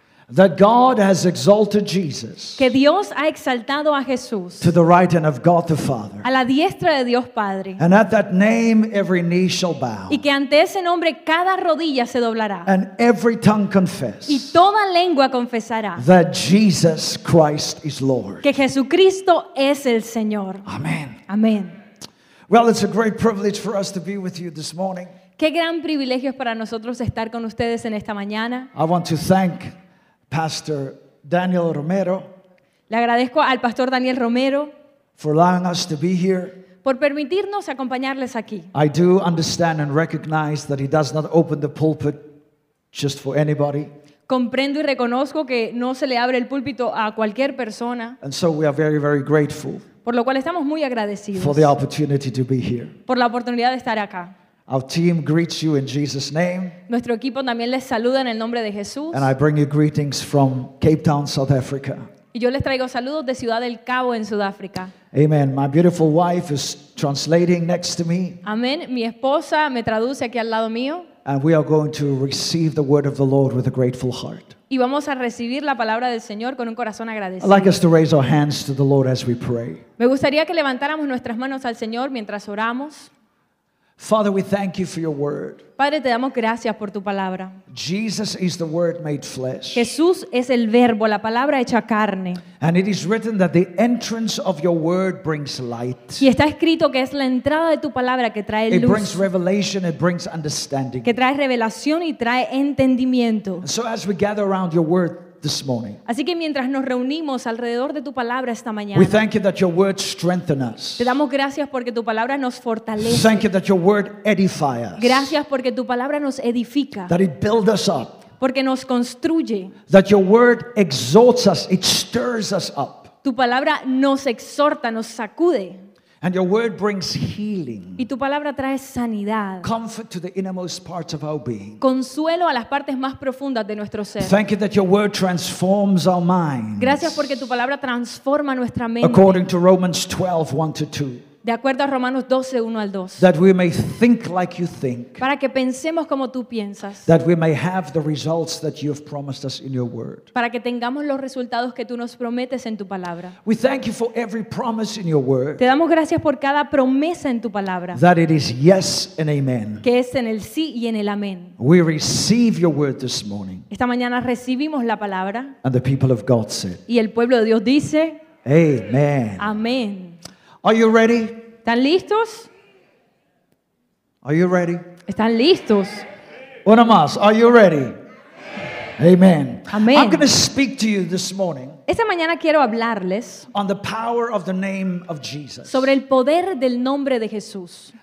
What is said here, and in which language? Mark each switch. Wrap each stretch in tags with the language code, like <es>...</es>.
<en>that God has exalted Jesus,</en> <es>que Dios ha exaltado a Jesús,</es> <en>to the right hand of God the Father,</en> <es>a la diestra de Dios Padre,</es> <en>and at that name every knee shall bow,</en> <es>y que ante ese nombre cada rodilla se doblará,</es> <en>and every tongue confess,</en> <es>y toda lengua confesará,</es> <en>that Jesus Christ is Lord,</en> <es>que Jesucristo es el Señor.</es> <en>Amen. Amen. Well, it's a great privilege for us to be with you this morning.</en> <es>Qué gran privilegio es para nosotros estar con ustedes en esta mañana.</es> <en>I want to thank Pastor Daniel Romero.</en> <es>Le agradezco al Pastor Daniel Romero</es> <en>for allowing us to be here.</en> <es>Por permitirnos acompañarles aquí.</es> <en>I do understand and recognize that he does not open the pulpit just for anybody.</en> <es>Comprendo y reconozco que no se le abre el púlpito a cualquier persona.</es> <en>And so we are very, very grateful.</en> <es>Por lo cual estamos muy agradecidos.</es> <en>For the opportunity to be here.</en> <es>Por la oportunidad de estar acá.</es> <en>Our team greets you in Jesus' name.</en> <es>Nuestro equipo también les saluda en el nombre de Jesús.</es> <en>And I bring you greetings from Cape Town, South Africa.</en> <es>Y yo les traigo saludos de Ciudad del Cabo en Sudáfrica.</es> <en>Amen. My beautiful wife is translating next to me.</en> <es>Amén. Mi esposa me traduce aquí al lado mío.</es> <en>And we are going to receive the word of the Lord with a grateful heart.</en> <es>Y vamos a recibir la palabra del Señor con un corazón agradecido.</es> <en>I'd like us to raise our hands to the Lord as we pray.</en> <es>Me gustaría que levantáramos nuestras manos al Señor mientras oramos.</es> <en>Father, we thank you for your word.</en> <es>Padre, te damos gracias por tu palabra.</es> <en>Jesus is the word made flesh.</en> <es>Jesús es el verbo, la palabra hecha carne.</es> <en>And it is written that the entrance of your word brings light.</en> <es>Y está escrito que es la entrada de tu palabra que trae luz.</es> <en>It brings revelation, it brings understanding.</en> <es>Que trae revelación y trae entendimiento.</es> <en>And so as we gather around your word this morning,</en> <es>así que mientras nos reunimos alrededor de tu palabra esta mañana,</es> <en>we thank you that your word strengthen us.</en> <es>Te damos gracias porque tu palabra nos fortalece.</es> <en>Thank you that your word edify us.</en> <es>Gracias porque tu palabra nos edifica.</es> <en>That it build us up.</en> <es>Porque nos construye.</es> <en>That your word exhorts us, it stirs us up.</en> <es>Tu palabra nos exhorta, nos sacude.</es> <en>And your word brings healing.</en> <es>Y tu palabra trae sanidad.</es> <en>Comfort to the innermost parts of our being.</en> <es>Consuelo a las partes más profundas de nuestro ser.</es> <en>Thank you that your word transforms our minds.</en> <es>Gracias porque tu palabra transforma nuestra mente.</es> <en>According to Romans 12, 1 to 2.</en> <es>De acuerdo a Romanos 12, 1 al 2.</es> <en>That we may think like you think.</en> <es>Para que pensemos como tú piensas.</es> <en>That we may have the results that you have promised us in your word.</en> <es>Para que tengamos los resultados que tú nos prometes en tu palabra.</es> <en>We thank you for every promise in your word.</en> <es>Te damos gracias por cada promesa en tu palabra.</es> <en>That it is yes and amen.</en> <es>Que es en el sí y en el amén.</es> <en>We receive your word this morning.</en> <es>Esta mañana recibimos la palabra.</es> <en>And the people of God said.</en> <es>Y el pueblo de Dios dice.</es> <en>Amen.</en> <es>Amén.</es> <en>Are you ready?</en> <es>¿Están listos?</es> <en>Are you ready?</en> <es>¿Están listos? Una más.</es> <en>Are you ready? Amen. Amen. I'm going to speak to you this morning.</en> <es>Esta mañana quiero hablarles</es> <en>on the power of the name of Jesus.</en> <es>Sobre el poder del nombre de Jesús.</es>